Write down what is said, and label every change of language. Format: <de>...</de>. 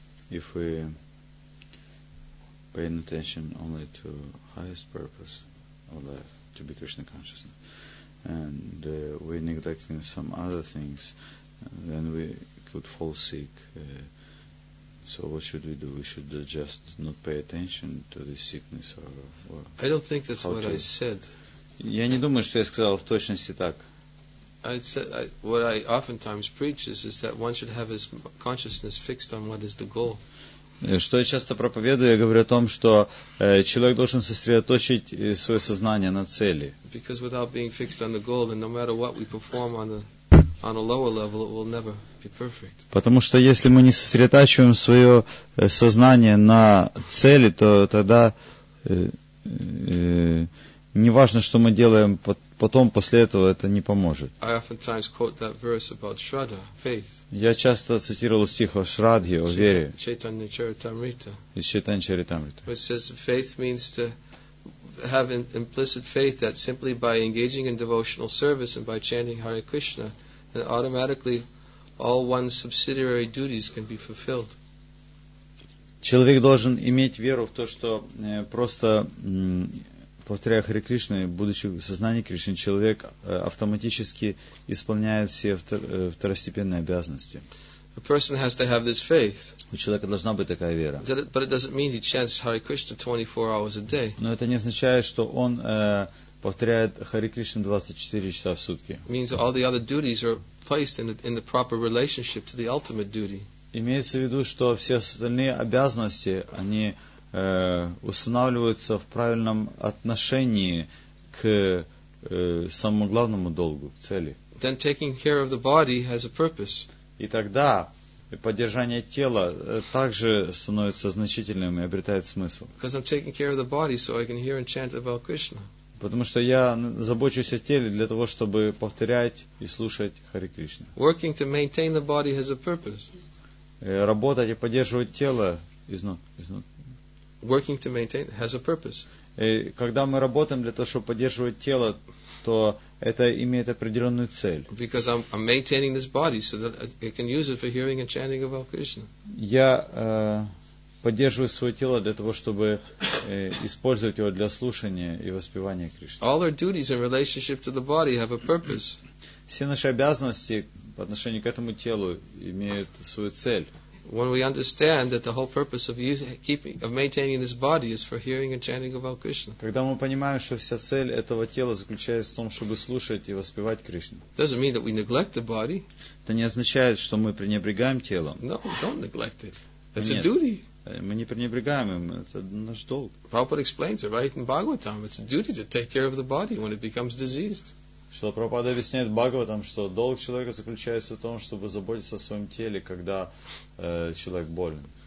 <en>If we pay attention only to highest purpose of life, to be Krishna consciousness, and we neglecting some other things, then we could fall sick. So what should we do? We should just not pay attention to this sickness, or I don't think that's what I said.</en> <ru>Я не думаю, что я сказал в точности так.</ru> <en>What I oftentimes preach is that one should have his consciousness fixed on what is the goal.</en> <ru>Что я часто проповедую, я говорю о том, что человек должен сосредоточить свое сознание на цели.</ru> <en>Because without being fixed on the goal, then no matter what we perform on a lower level, it will never be perfect.</en> <ru>Потому что если мы не сосредотачиваем свое сознание на цели, то тогда не важно, что мы делаем потом после этого это не поможет.</ru> <en>I oftentimes quote that verse about Shraddha, faith.</en> <ru>Я часто цитировал стих о Шрадхе, о вере.</ru> <en>Chaitanya Charitamrita.</en> <ru>Из Chaitanya Charitamrita.</ru> <en>Which says faith means to have an implicit faith that simply by engaging in devotional service and by chanting Hare Krishna, then automatically all one's subsidiary duties can be fulfilled.</en> <ru>Человек должен иметь веру в то, что просто повторяя Харе Кришну, будучи в сознании Кришны, человек автоматически исполняет все второстепенные обязанности.</ru> <en>A person has to have this faith.</en> <ru>У человека должна быть такая вера.</ru> <en>But it doesn't mean he chants Hare Krishna 24 hours a day.</en> <ru>Но это не означает, что он повторяет Харе Кришну 24 часа в сутки.</ru> <en>It means all the other duties are placed in the proper relationship to the ultimate duty.</en> <ru>Имеется в виду, что все остальные обязанности, они устанавливаются в правильном отношении к самому главному долгу, к цели.</ru> <en>Then taking care of the body has a purpose.</en> <ru>И тогда поддержание тела также становится значительным и обретает смысл.</ru> <en>Because I'm taking care of the body so I can hear and chant about Krishna.</en> <ru>Потому что я забочусь о теле для того, чтобы повторять и слушать Харе Кришну.</ru> <en>Working to maintain the body has a purpose.</en> <ru>Работать и поддерживать тело</ru> <en>Working to maintain has a purpose.</en> <ru>И когда мы работаем для того, чтобы поддерживать тело, то это имеет определенную цель.</ru> <en>Because I'm maintaining this body so that I can use it for hearing and chanting about Krishna.</en> <ru>Я поддерживаю свое тело для того, чтобы использовать его для слушания и воспевания Кришны.</ru> <en>All our duties in relationship to the body have a purpose.</en> <ru>Все наши обязанности по отношению к этому телу имеют свою цель.</ru> <en>When we understand that the whole purpose of keeping, of maintaining this body is for hearing and chanting about Krishna.</en> <ru>Когда мы понимаем, что вся цель этого тела заключается в том, чтобы слушать и воспевать Кришну.</ru> <en>Doesn't mean that we neglect the body.</en> <ru>Это не означает, что мы пренебрегаем телом.</ru> <en>No, don't neglect it. It's a duty.</en> <ru>Мы не пренебрегаем им, это наш долг.</ru> <en>Prabhupada explains it right in Bhagavatam. It's a duty to take care of the body when it becomes diseased.</en> <ru>Шрила Прабхупада объясняет Бхагаватам, что долг человека заключается в том, чтобы заботиться о своем теле, когда человек болен.</ru>